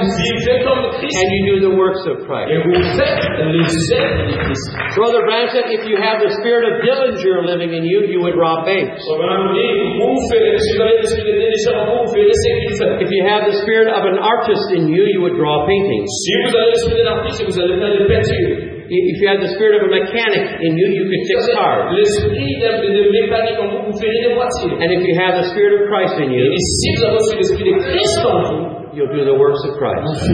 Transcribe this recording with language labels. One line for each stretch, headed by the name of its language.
French: Vous vivez comme Christ.
English: And you do the works of Christ.
French: Et vous faites les œuvres de Christ.
English: Brother Branham said, if you have the spirit of Dillinger living in you, you would rob banks. If you have the spirit of an artist in you, you would draw paintings.
French: Si vous avez l'esprit d'un artiste, vous allez faire des peintures.
English: If you had the spirit of a mechanic in you, you could fix cars. And if you have the spirit of Christ in you, you'll do the works of Christ.